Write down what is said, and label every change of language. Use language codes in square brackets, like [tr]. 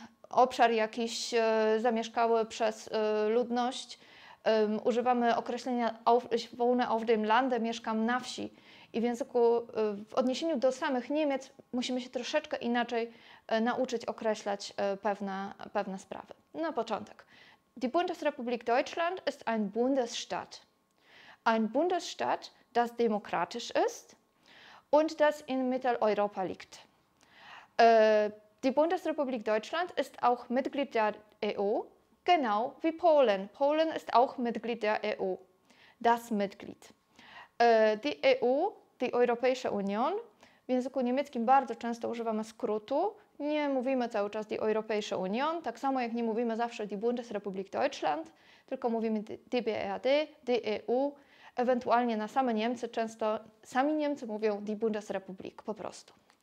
[pl] Obszar jakiś zamieszkały przez ludność. Używamy określenia [de] ich wohne auf dem Lande, [pl] mieszkam na wsi. I w języku, w odniesieniu do samych Niemiec, musimy się troszeczkę inaczej nauczyć określać pewne sprawy. Na początek. [de] Die Bundesrepublik Deutschland ist ein Bundesstaat. Ein Bundesstaat, das demokratisch ist und das in Mitteleuropa liegt. Die Bundesrepublik Deutschland ist auch Mitglied der EU, genau wie Polen. Polen ist auch Mitglied der EU, das Mitglied. [pl] Die EU, die Europäische Union, w języku niemieckim bardzo często używamy skrótu, nie mówimy cały czas die Europäische Union, tak samo jak nie mówimy zawsze die Bundesrepublik Deutschland, tylko mówimy die BRD, die EU, ewentualnie na same Niemcy, często sami Niemcy mówią die Bundesrepublik po prostu.